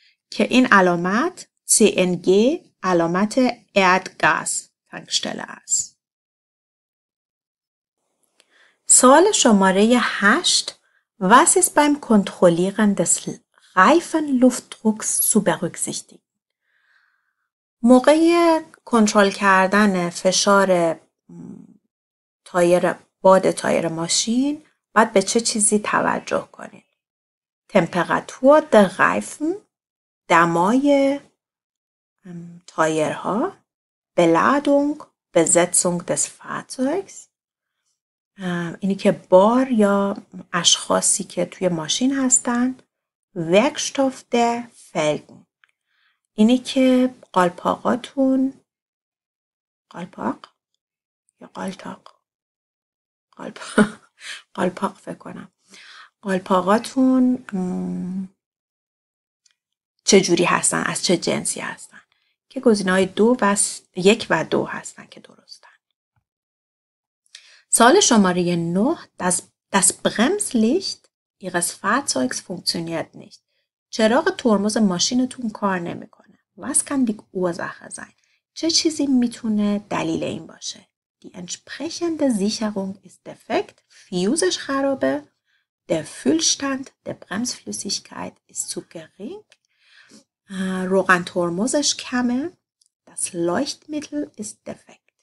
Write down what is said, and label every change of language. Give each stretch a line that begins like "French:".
Persian: که این علامت CNG علامت Erdgas تنکشتله است. سوال شماره 8
German: Was ist beim Kontrollieren des Reifenluftdrucks zu berücksichtigen?
Persian: موقع کنترل کردن فشار تایر باد تایر ماشین باید به چه چیزی توجه کنید؟
German: Temperatur der Reifen
Persian: دمای تایرها،
German: بلادونگ، بزتسونگ دس فاتوکس،
Persian: اینی که بار یا اشخاصی که توی ماشین هستن،
German: ورکشتوف ده فلگن،
Persian: اینی که قالپاقاتون، قالپاق یا قالتاق، قالپاق فکر کنم، قالپاقاتون چجوری هستن، از چه جنسی هست؟ که گزینه های دو و یک و دو هستن که درستن. سال شماره 9
German: das Bremslicht ihres Fahrzeugs funktioniert nicht.
Persian: چراغ ترمز ماشینتون کار نمیکنه.
German: Was kann die Ursache sein?
Persian: چه چیزی میتونه دلیل این باشه؟
German: Die entsprechende Sicherung ist defekt.
Persian: Fuse خرابه.
German: Der Füllstand der Bremsflüssigkeit ist zu gering.
Persian: روغن ترمزش کمه.
German: Das Leuchtmittel ist defekt.